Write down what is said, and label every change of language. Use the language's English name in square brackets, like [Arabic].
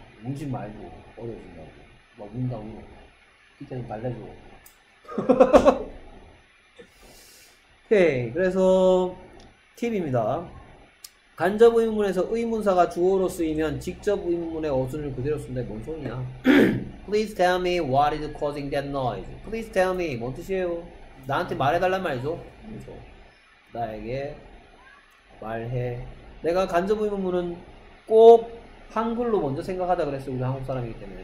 [Korean] 울지 말고 어려워진다고 막 운다 울어. 이때는 말려줘. 오케이. 그래서 팁입니다. 간접 의문문에서 의문사가 주어로 쓰이면 직접 의문문의 어순을 그대로 쓴다. 뭔 소리냐? [English] Please tell me what is causing that noise. Please tell me. [Korean] 뭔 뜻이에요? 나한테 말해달란 말이죠. 그렇죠. 나에게 말해. 내가 간접 의문문은 꼭 한글로 먼저 생각하다 그랬어. 우리 한국 사람이기 때문에.